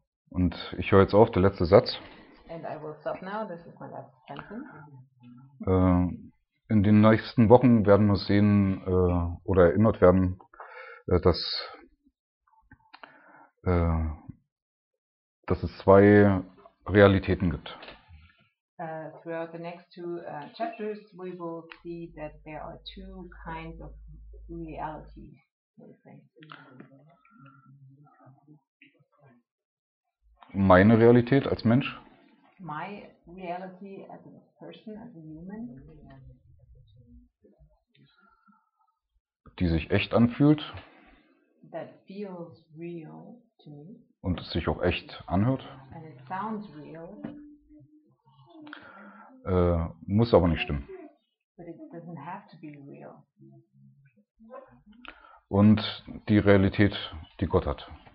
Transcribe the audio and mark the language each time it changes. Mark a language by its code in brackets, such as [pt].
[de] Und ich höre jetzt auf, der letzte Satz. [en] And I will stop now. This is my last sentence. [de] In den nächsten Wochen werden wir sehen oder erinnert werden, dass es zwei Realitäten gibt. [en] Throughout the next two chapters, we will see that there are two kinds of realities. [de] Meine Realität als Mensch. [en] My reality as a person, as a human. [de] Die sich echt anfühlt. [en] That feels real to me. [de] Und es sich auch echt anhört. [en] And it sounds real. [de] Muss aber nicht stimmen. [en] But it doesn't have to be real. [de] Und die Realität, die Gott hat.